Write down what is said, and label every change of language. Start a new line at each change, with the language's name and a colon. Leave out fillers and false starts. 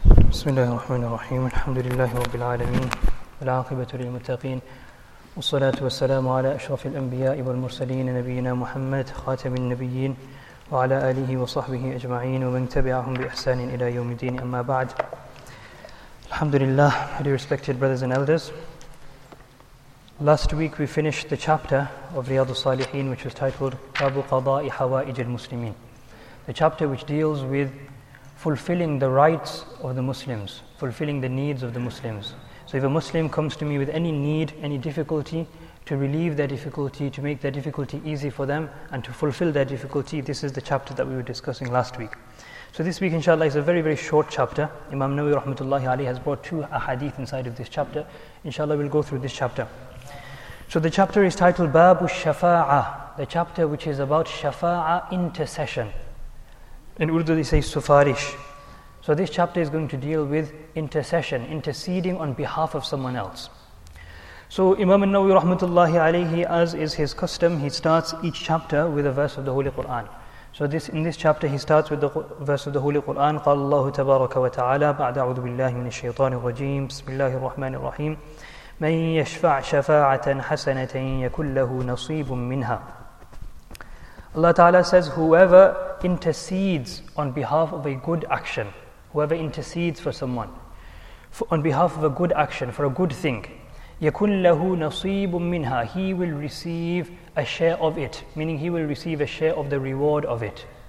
Arabic: بسم الله الرحمن الرحيم الحمد لله رب العالمين والعاقبة للمتقين والصلاة والسلام على أشرف الأنبياء والمرسلين نبينا محمد خاتم النبيين وعلى آله وصحبه أجمعين ومن تبعهم بإحسان إلى يوم الدين أما بعد الحمد لله.
English: Dear respected brothers and elders, last week we finished the chapter of Riyad al-Salihin, which was titled
Arabic: باب قضاء حوائج المسلمين,
English: the chapter which deals with fulfilling the rights of the Muslims, fulfilling the needs of the Muslims. So if a Muslim comes to me with any need, any difficulty, to relieve that difficulty, to make that difficulty easy for them, and to fulfill that difficulty, this is the chapter that we were discussing last week. So this week, inshallah, is a very, very short chapter. Imam Nawawi rahmatullahi alayhi has brought two ahadith inside of this chapter. Inshallah, we'll go through this chapter. So the chapter is titled Babu Shafa'a, the chapter which is about Shafa'a intercession. In Urdu they say sufarish. So this chapter is going to deal with intercession, interceding on behalf of someone else. So Imam An-Nawawi rahmatullahi alayhi, as is his custom, he starts each chapter with a verse of the Holy Quran. So in this chapter he starts with the verse of the Holy Quran.
Arabic: قال الله تبارك وتعالى بعد أعوذ بالله من الشيطان الرجيم بسم الله الرحمن الرحيم من يشفع شفاعة حسنة يكن له نصيب منها.
English: Allah Ta'ala says, whoever intercedes on behalf of a good action, whoever intercedes for someone, on behalf of a good action, for a good thing,
Arabic: يَكُنْ لَهُ نَصِيبٌ مِّنْهَا,
English: he will receive a share of it, meaning he will receive a share of the reward of it.